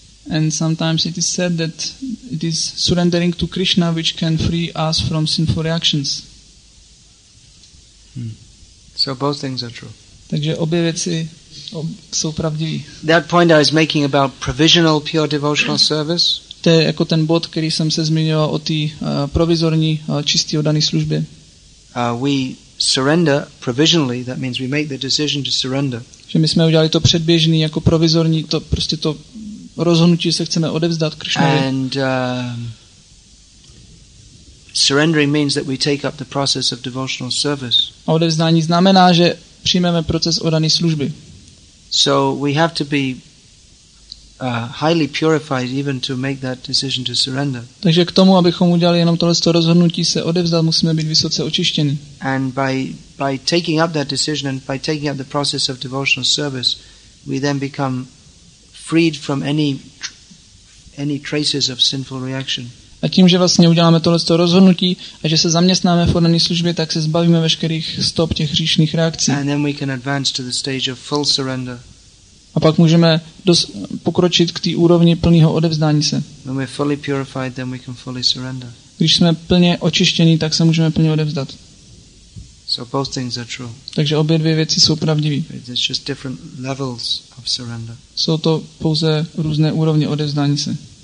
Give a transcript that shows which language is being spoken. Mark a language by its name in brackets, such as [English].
[English] And sometimes it is said that it is surrendering to Krishna which can free us from sinful reactions. So both things are true. [Czech] Takže obě věci jsou pravdivé. [English] That point I was making about provisional pure devotional service. [Czech] To je jako ten bod, který jsem se zmiňoval o té provizorní čistý oddaný službě. [English] We surrender provisionally, that means we make the decision to surrender. [Czech] Že my jsme udělali to předběžný jako provizorní, to prostě to rozhodnutí, že se chceme odevzdat Krišnovi. [English] And surrendering means that we take up the process of devotional service. [Czech] A odevzdání znamená, že přijmeme proces oddaný služby. [English] So we have to be highly purified even to make that decision to surrender. [Czech] Takže k tomu, abychom udělali jenom tohleto rozhodnutí se odevzdat, musíme být vysoce očištěni. [English] And by taking up that decision and by taking up the process of devotional service, we then become freed from any traces of sinful reaction. [Czech] A tím, že vlastně uděláme tohleto rozhodnutí a že se zaměstnáme v oddané službě, tak se zbavíme veškerých stop těch hříšných reakcí. [English] And then we can advance to the stage of full surrender. [Czech] A pak můžeme pokročit k té úrovni plného odevzdání se. [English] When we're fully purified, then we can fully surrender. [Czech] Když jsme plně očištění, tak se můžeme plně odevzdat. [English] So both things are true. [Czech] Takže obě dvě věci jsou pravdivé. [English] It's just different levels of surrender. [Czech] Jsou to pouze různé úrovně odevzdání se.